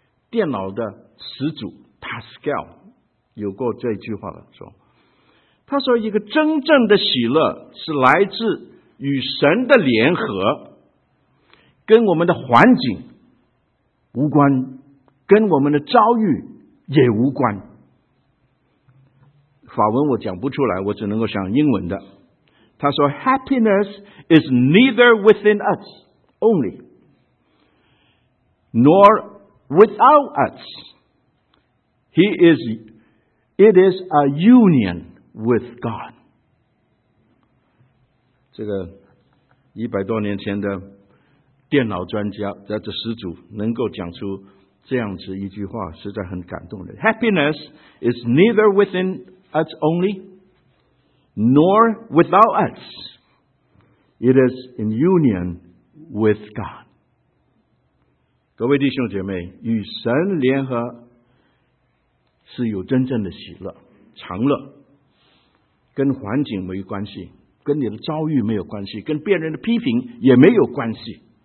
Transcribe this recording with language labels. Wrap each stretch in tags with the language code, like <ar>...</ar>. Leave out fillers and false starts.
<zh>电脑的始祖 Pascal 有过这句话的说，他说一个真正的喜乐是来自与神的联合，跟我们的环境无关，跟我们的遭遇也无关。法文我讲不出来，我只能够想英文的。他说</zh> <en>Happiness is neither within us only nor without us. It is a union with God.</en> <zh>这个一百多年前的电脑专家，这始祖能够讲出这样子一句话，实在很感动的。</zh> <en>Happiness is neither within us only, nor without us. It is in union with God.</en> <zh>各位弟兄姐妹，与神联合是有真正的喜乐、长乐，跟环境没关系，跟你的遭遇没有关系，跟别人的批评也没有关系。</zh>